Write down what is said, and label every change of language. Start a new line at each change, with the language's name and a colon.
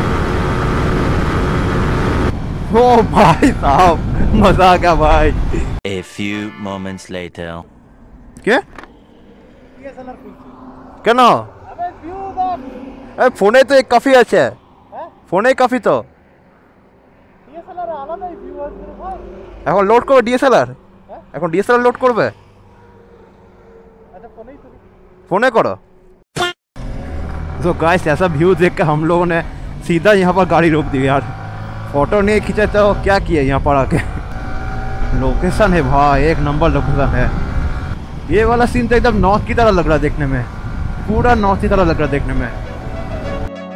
Hindi: ओ भाई साहब मजा आ गया भाई।
English: A few moments later.
Hindi: क्या ना? अबे फोन तो एक काफी अच्छा है। फोन है काफी तो। DSLR आला ना व्यू आज मेरे पास।
Bangla: এখন লোড করো DSLR। এখন DSLR লোড করবে। আচ্ছা ফোনেই তুমি। ফোনে করো।
Hindi: তো গাইস ऐसा व्यू देख के हम लोगों ने सीधा यहां पर गाड़ी रोक दी यार। फोटो नहीं खींचे तो क्या किया यहाँ पर आके। लोकेशन है भाई एक नंबर लोकेशन है। ये वाला सीन तो एकदम नॉर्थ की तरह लग रहा है देखने में, पूरा नॉर्थ की तरह लग रहा है देखने में।